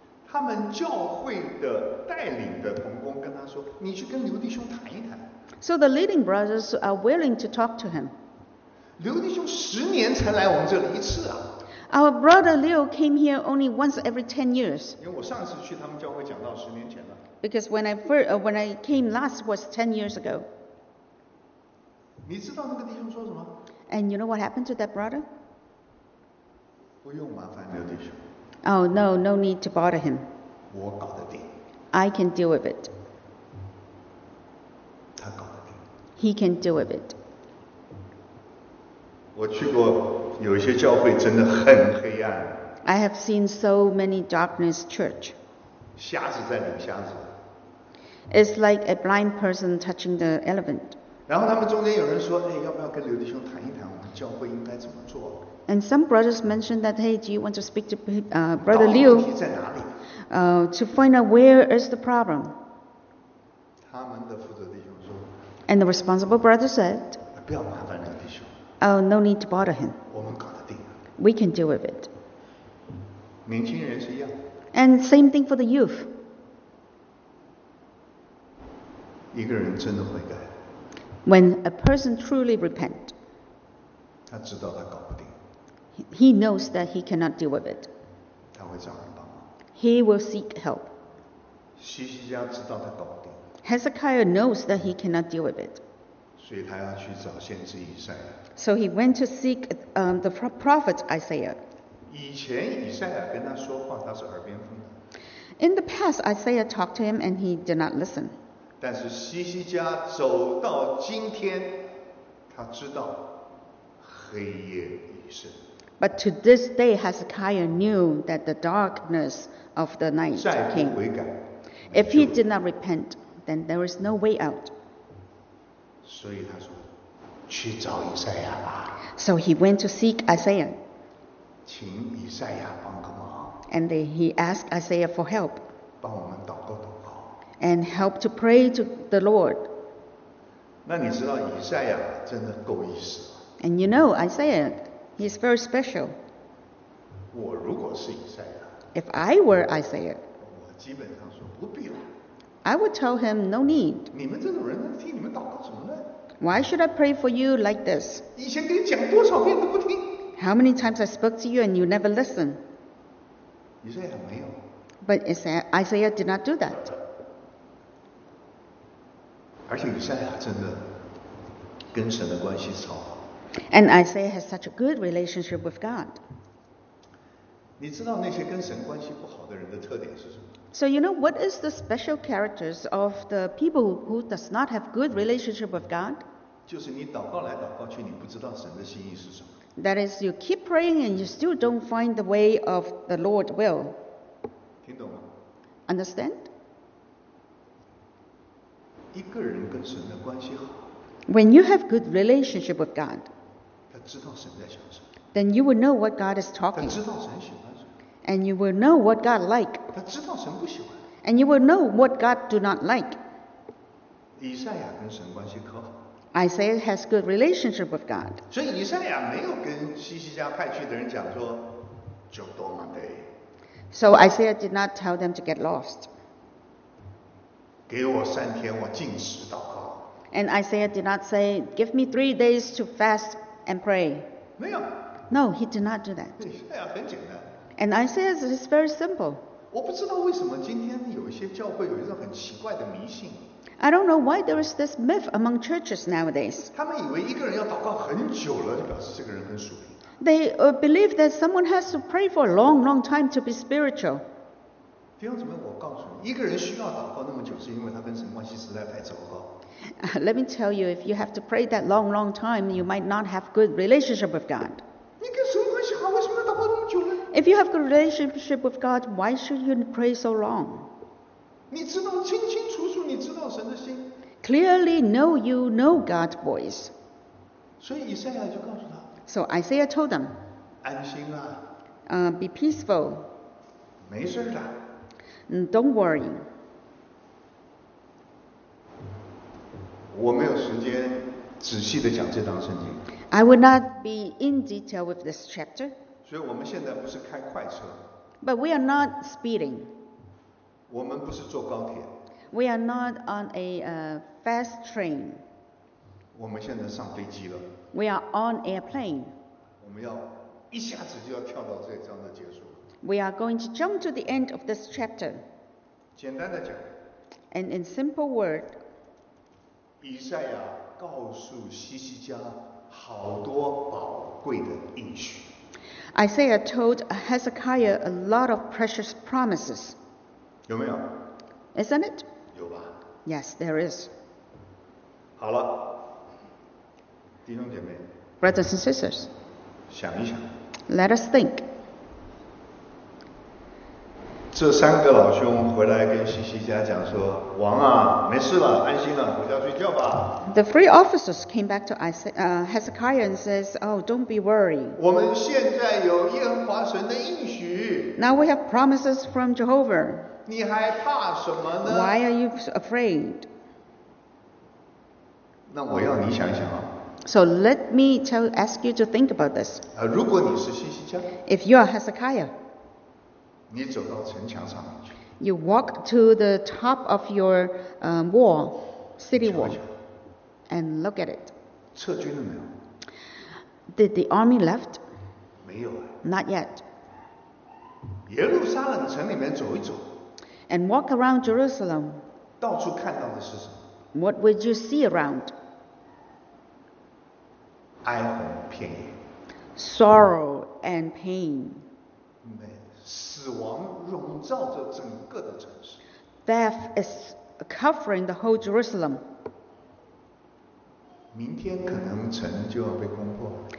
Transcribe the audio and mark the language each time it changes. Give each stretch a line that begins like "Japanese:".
Chinese: 他们教会的带领的同工跟他说，你去跟刘弟兄谈一谈。
English: So the leading brothers are willing to talk to him.
Chinese: 刘弟兄十年才来我们这里一次啊。
English: Our brother Leo came here only once every 10 years.
Chinese: 因为我上次去他们教会讲到十年前了。
English: Because when I came last was 10 years ago.
Chinese: 你知道那个弟兄说什么？
English: And you know what happened to that brother?
Chinese: 不用麻烦刘弟兄。
English: Oh no, no need to bother him.
Chinese: 我搞得定。
English: I can deal with it.
Chinese: 他搞得定。
English: He can deal with it.
Chinese: 我去过有些教会真的很黑暗。
English: I have seen so many darkness church.
Chinese: 瞎子在领瞎子。
English: It's like a blind person touching the elephant.
Chinese: 然后他们中间有人说，哎，要不要跟刘弟兄谈一谈，我们教会应该怎么做？
English: And some brothers mentioned that, hey, do you want to speak to brother Liu?
Chinese: 问题在哪里？
English: To find out where is the problem.
Chinese: 他们的负责弟兄说。
English: And the responsible brother said.
Chinese: 不要麻烦刘弟兄。
English: Oh, no need to bother him.
Chinese: 我们搞得定。
English: We can deal with it.
Chinese: 年轻人是一样。
English: And same thing for the youth.
Chinese: 一个人真的悔改。
English: When a person truly repent,
Chinese: 他知道他搞不定。
English: He knows that he cannot deal with it.
Chinese: 他会找人帮忙。
English: He will seek help.
Chinese: 西西家知道他搞不定。
English: Hezekiah knows that he cannot deal with it.
Chinese: 所以他要去找先知以赛亚。
English: So he went to seek the prophet Isaiah.
Chinese: 以前以赛亚跟他说话，他是耳边风。
English: In the past, Isaiah talked to him and he did not listen.
Chinese: 但是西西家走到今天，他知道黑夜已深。
English: But to this day, Hezekiah knew that the darkness of the night came. If he did not repent, then there is no way out.
Chinese: 所以他说，去找以赛亚吧。
English: So he went to seek Isaiah.
Chinese: 请以赛亚帮个忙。
English: And then he asked Isaiah for help.
Chinese: 帮我们祷告祷告。
English: And help to pray to the Lord.
Chinese: 那你知道以赛亚真的够意思。
English: And you know Isaiah, he's very special.
Chinese: 我如果是以赛亚。
English: If I were Isaiah.
Chinese: 我基本上说不必了。
English: I would tell him no need.
Chinese: 你们这种人替你们祷告什么呢？
English: Why should I pray for you like this?
Chinese: 以前跟你讲多少遍都不听。
English: How many times I spoke to you and you never listen?
Chinese: 以赛亚没有。
English: But Isaiah did not do that.
Chinese: 而且以赛亚真的跟神的关系超好。
English: And Isaiah has such a good relationship with God.
Chinese: 你知道那些跟神关系不好的人的特点是什么？
English: So you know what is the special characters of the people who does not have good relationship with God?
Chinese: 就是你祷告来祷告去，你不知道神的心意是什么。
English: That is, you keep praying and you still don't find the way of the Lord's will.
Chinese: 听懂吗？
English: Understand?
Chinese: 一个人跟神的关系好。
English: When you have good relationship with God,
Chinese: 他知道神在想什么。
English: Then you will know what God is talking.
Chinese: 他知道神喜欢什么。
English: And you will know what God like.
Chinese: 他知道神不喜欢。
English: And you will know what God do not like.
Chinese: 以赛亚跟神关系可好。
English: Isaiah has good relationship with God.
Chinese: 所以以赛亚没有跟西西家派去的人讲说，就多嘛得。
English: So Isaiah did not tell them to get lost.
Chinese: 给我三天，我禁食祷告。
English: And Isaiah did not say, "Give me 3 days to fast and pray."
Chinese: 没有。
English: No, he did not do that.
Chinese: 以赛亚很简单。
English: And Isaiah is very simple.
Chinese: 我不知道为什么今天有一些教会有一种很奇怪的迷信。
English: I don't know why there is this myth among churches nowadays.
Chinese: 他们以为一个人要祷告很久了，就表示这个人很属灵。
English: They believe that someone has to pray for a long, long time to be spiritual.
Chinese: 弟兄姊妹，我告诉你，一个人需要祷告那么久，是因为他跟神关系实在太糟糕。
English: Let me tell you, if you have to pray that long, long time, you might not have good relationship with God.
Chinese: 你跟神关系好，为什么要祷告那么久呢？
English: If you have good relationship with God, why should you pray so long?
Chinese: 你知道清清楚楚，你知道神的心。
English: Clearly know you know God's voice.
Chinese: 所以以赛亚就告诉他。
English: So Isaiah told them.
Chinese: 安心啦。
English: Be peaceful.
Chinese: 没事的。
English: Don't worry.
Chinese: 我没有时间仔细地讲这章圣经。
English: I would not be in detail with this chapter.
Chinese: 所以我们现在不是开快车。
English: But we are not speeding.
Chinese: 我们不是坐高铁。
English: We are not on a fast train.
Chinese: 我们现在上飞机了。
English: We are on airplane.
Chinese: 我们要一下子就要跳到这章的结束。
English: We are going to jump to the end of this chapter.
Chinese: 简单的讲。
English: And in simple word,
Chinese: 以赛亚告诉西西家好多宝贵的应许。
English: Isaiah told Hezekiah a lot of precious promises.
Chinese: 有没有？
English: Isn't it?
Chinese: 有吧。
English: Yes, there is.
Chinese: 好了，弟兄姐妹。
English: Brothers and sisters.
Chinese: 想一想。
English: Let us think.
Chinese: 这三个老兄回来跟西西家讲说，王啊，没事了，安心了，回家睡觉吧。
English: The three officers came back to Hezekiah and says, oh, don't be worried.
Chinese: 我们现在有耶和华神的应许。
English: Now we have promises from Jehovah.
Chinese: 你还怕什么呢？
English: Why are you afraid?
Chinese: 那我要你想一想啊。
English: So let me ask you to think about this.
Chinese: 如果你是西西家。
English: If you are Hezekiah.
Chinese: 你走到城墙上去。
English: You walk to the top of your wall, city wall,
Chinese: 瞧瞧
English: and look at it.
Chinese: 撤军了没有？
English: Did the army left?
Chinese: 没有
English: 啊。Not yet.
Chinese: 耶路撒冷城里面走一走。
English: And walk around Jerusalem.
Chinese: 到处看到的是什么？
English: What would you see around?
Chinese: 哀鸿遍野。
English: Sorrow and pain.
Chinese: 没。死亡笼罩着整个的城市。
English: Death is covering the whole Jerusalem.
Chinese: 明天可能城就要被攻破。